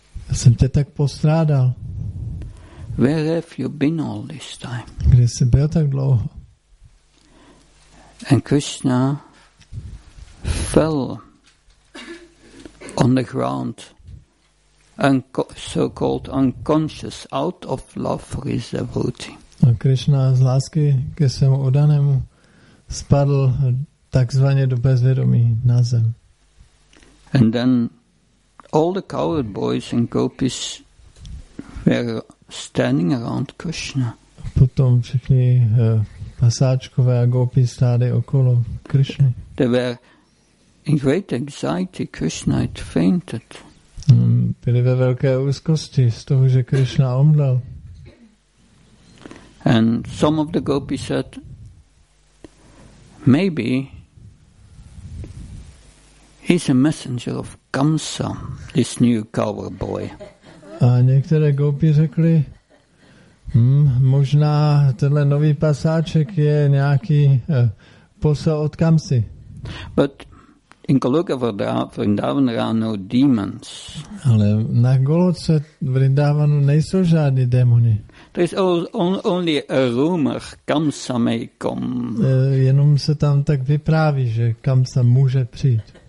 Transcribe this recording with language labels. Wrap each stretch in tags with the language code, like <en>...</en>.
<cs>Já jsem tě tak postrádal.</cs> <en>Where have you been all this time?</en> <cs>Kde jsi byl tak dlouho?</cs> <en>And Krishna fell on the ground and so-called unconscious out of love for his devotee.</en> <cs>A Krishna z lásky ke svému oddanému spadl takzvaně do bezvědomí na zem.</cs> <en>And then all the coward boys and gopis were standing around Krishna.</en> <cs>A potom všichni pasáčkové a gopi stáli okolo Krishny.</cs> <en>They were in great anxiety. Krishna had fainted.</en> <cs>Byli ve velké úzkosti z toho, že Krishna omdlel.</cs> <en>And some of the gopis said, maybe he's a messenger of Kamsa, this new coward boy.</en> <cs>A některé gopi řekli, možná tenhle nový pasáček je nějaký posel od Kamsy.</cs> <en>But in Goloka Vrindavan there are no demons.</en> <cs>Ale na Goloce Vrindavanu nejsou žádní démoni.</cs> <en>There is only a rumor Kamsa may come.</en> <cs>Jenom se tam tak vypráví, že Kamsa může přijít.</cs>